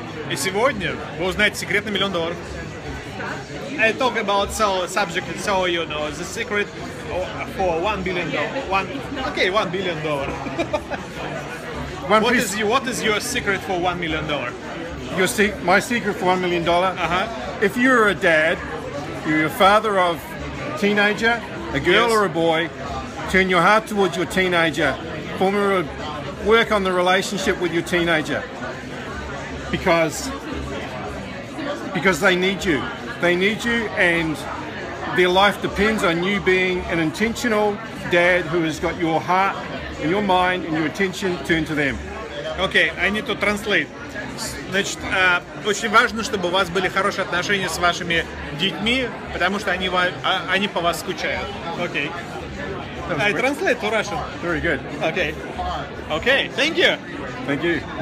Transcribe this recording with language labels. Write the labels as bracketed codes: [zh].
[ru] И сегодня вы узнаете секрет на миллион долларов. [en] I talk about so subject, so you know the secret for $1 billion. What is your secret for $1 million? My secret for $1 million. Uh-huh. If you're a dad, you're a father of a teenager, a girl, yes, or a boy, turn your heart towards your teenager. Work on the relationship with your teenager. Because they need you. They need you, and their life depends on you being an intentional dad who has got your heart and your mind and your attention turned to them. Okay, I need to translate. [ru] Значит, очень важно, чтобы у вас были хорошие отношения с вашими детьми, потому что они по вас скучают. [en] Okay. I translate to Russian. Very good. Okay. Okay, thank you. Thank you.